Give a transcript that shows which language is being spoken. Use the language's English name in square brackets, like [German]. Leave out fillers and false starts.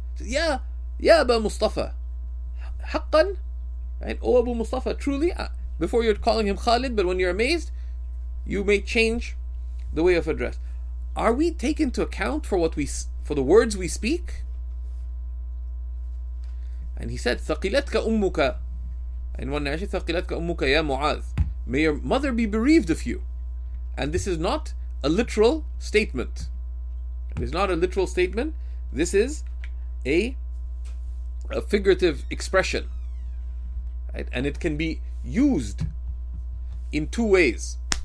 [Arabic] Ya Abu Mustafa. Haqqan? [English] Right? Oh, Abu Mustafa, truly? Before you're calling him Khalid, but when you're amazed, you may change the way of address. Are we taken to account for what we, for the words we speak? And he said, [Arabic] ثَقِلَتْكَ أُمُّكَ. [English] And one narration, [Arabic] ثَقِلَتْكَ أُمُّكَ يَا مُعَاذ. [English] May your mother be bereaved of you. And this is not a literal statement. It is not a literal statement. This is a figurative expression. Right? And it can be used in two ways.